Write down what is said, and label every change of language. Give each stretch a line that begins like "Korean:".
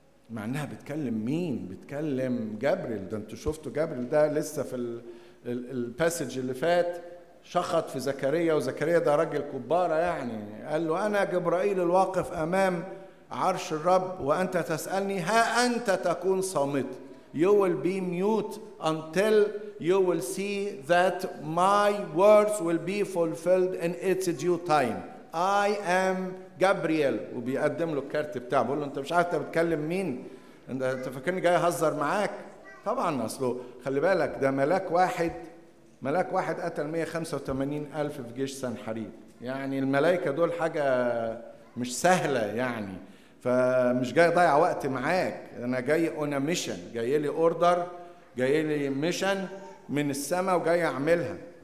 Arabic: معناها بتكلم مين؟ بتكلم جبريل. ده انتوا شفتوا جبريل ده لسه في الباسج اللي فات شخط في زكريا، وزكريا ده راجل كبار يعني، قال له انا جبرائيل الواقف امام عرش الرب وأنت تسألني، ها أنت تكون صامت.
English: You will be mute until you will see that my words will be fulfilled in its due time. I am Gabriel.
Arabic: وبيقدم له الكارت بتاعه، بقول له أنت مش عارف أنت بتكلم مين، أنت فاكرني جاي أهزر معاك. طبعا أصله خلي بالك ده ملاك واحد، ملاك واحد قتل 185,000 في جيش سنحريب، يعني الملائكة دول حاجة مش سهلة يعني، فمش جاي ضيع وقت معاك، انا جاي
English: on a mission،
Arabic: جاي لي order، جاي لي mission من السماء وجاي اعملها.